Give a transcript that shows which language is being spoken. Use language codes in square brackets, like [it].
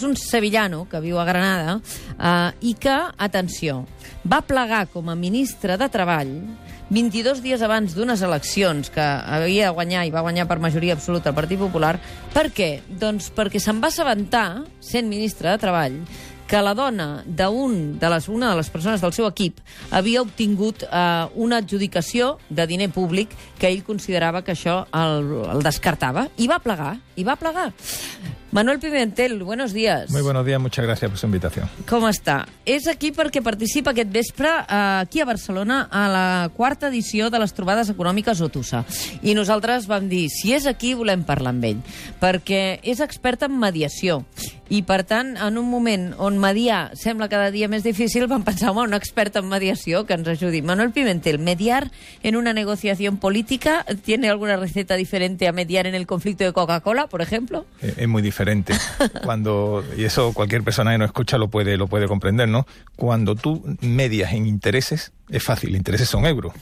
[ca] És un sevillano que viu a Granada i que, atenció, va plegar com a ministre de Treball 22 dies abans d'unes eleccions que havia de guanyar i va guanyar per majoria absoluta el Partit Popular. Per què? Doncs perquè se'n va assabentar, sent ministre de Treball, que la dona d'una de les persones del seu equip havia obtingut una adjudicació de diner públic que ell considerava que això el descartava. I va plegar. [es] Manuel Pimentel, buenos días. Muy buenos días, muchas gracias por su invitación. [ca] Com està? És aquí perquè participa aquest vespre aquí a Barcelona a la quarta edició de les trobades econòmiques OTUSA. I nosaltres vam dir, si és aquí, volem parlar amb ell, perquè és expert en mediació. I, per tant, en un moment on mediar sembla cada dia més difícil, vam pensar, un expert en mediació que ens ajudi. [es] Manuel Pimentel, mediar en una negociación política, ¿tiene alguna receta diferente a mediar en el conflicto de Coca-Cola, por ejemplo? Es muy diferente. Cuando, y eso cualquier persona que no escucha lo puede comprender, ¿no? Cuando tú medias en intereses, es fácil, intereses son euros.